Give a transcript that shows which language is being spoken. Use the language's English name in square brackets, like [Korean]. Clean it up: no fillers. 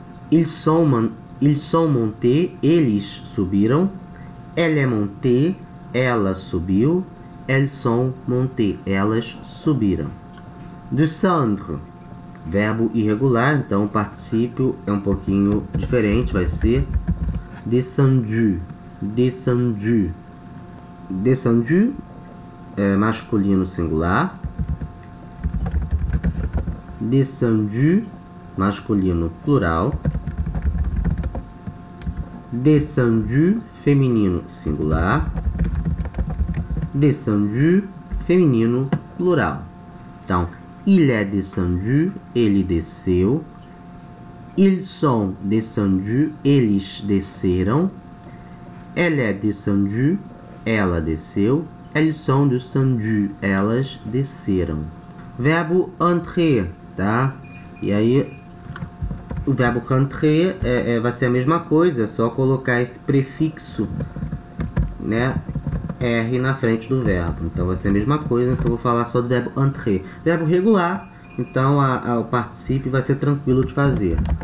[French] Ils sont montés, [Portuguese] eles subiram. [French] Elle est montée, [Portuguese] ela subiu. [French] Elles sont montées, [Portuguese] elas subiram. Descendre, verbo irregular, então o particípio é um pouquinho diferente, vai ser descendu, descendu. Descendu é masculino singular. Descendu, masculino plural. Descendu, feminino singular. Descendu, feminino plural. Então, [French] il est descendu, [Portuguese] ele desceu. [French] Ils sont descendus, [Portuguese] eles desceram. [French] Elle est descendue, [Portuguese] ela desceu. [French] Elles sont descendues, [Portuguese] elas desceram. Verbo entrer, tá? E aí, o verbo entrer vai ser a mesma coisa, é só colocar esse prefixo, né, R na frente do verbo. Então, vai ser a mesma coisa, então vou falar só do verbo entrer. Verbo regular, então o particípio vai ser tranquilo de fazer.